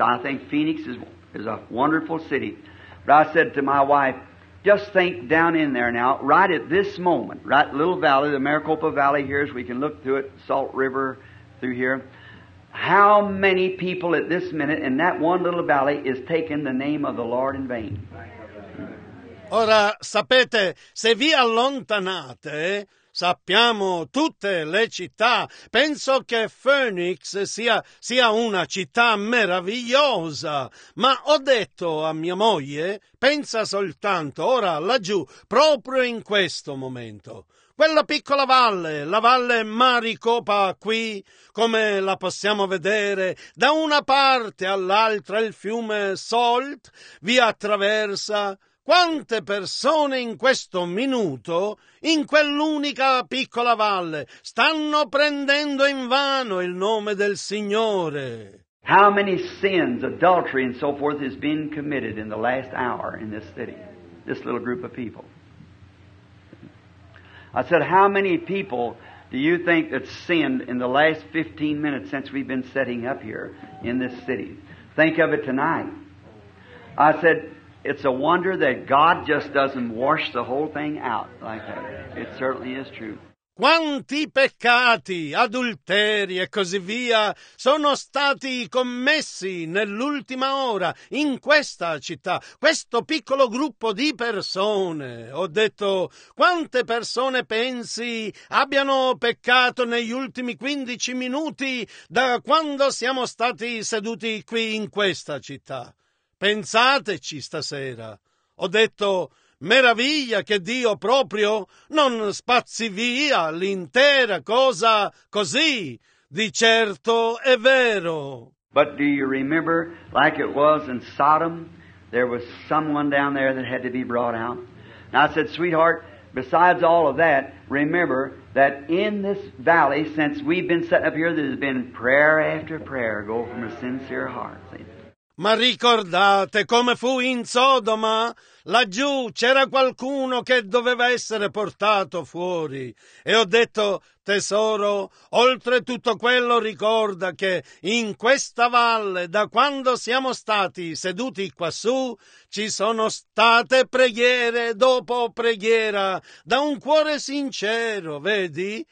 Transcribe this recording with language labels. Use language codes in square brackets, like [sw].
[en] I think Phoenix is a wonderful city. But I said to my wife, just think down in there now, right at this moment, right little valley, the Maricopa Valley here, as we can look through it, Salt River through here. How many people at this minute in that one little valley is taking the name of the Lord in vain? [it] Ora sapete, se vi allontanate, sappiamo tutte le città. Penso che Phoenix sia una città meravigliosa, ma ho detto a mia moglie, pensa soltanto ora laggiù, proprio in questo momento. Quella piccola valle, la valle Maricopa qui, come la possiamo vedere, da una parte all'altra il fiume Salt vi attraversa. Quante persone in questo minuto, in quell'unica piccola valle, stanno prendendo in vano il nome del Signore? [en] How many sins, adultery and so forth has been committed in the last hour in this city, this little group of people? I said, how many people do you think that sinned in the last 15 minutes since we've been setting up here in this city? Think of it tonight. I said, it's a wonder that God just doesn't wash the whole thing out like that. It certainly is true. [it] Quanti peccati, adulteri e così via sono stati commessi nell'ultima ora in questa città, questo piccolo gruppo di persone. Ho detto, quante persone pensi abbiano peccato negli ultimi 15 minuti da quando siamo stati seduti qui in questa città? Pensateci stasera. Ho detto, meraviglia che Dio proprio non spazzi via l'intera cosa così. Di certo è vero. [en] But do you remember, like it was in Sodom, there was someone down there that had to be brought out? And I said, sweetheart, besides all of that, remember that in this valley, since we've been set up here, there's been prayer after prayer go from a sincere heart. [it] Ma ricordate come fu in Sodoma? Laggiù c'era qualcuno che doveva essere portato fuori. E ho detto, tesoro, oltre tutto quello ricorda che in questa valle, da quando siamo stati seduti quassù, ci sono state preghiere dopo preghiera, da un cuore sincero, vedi?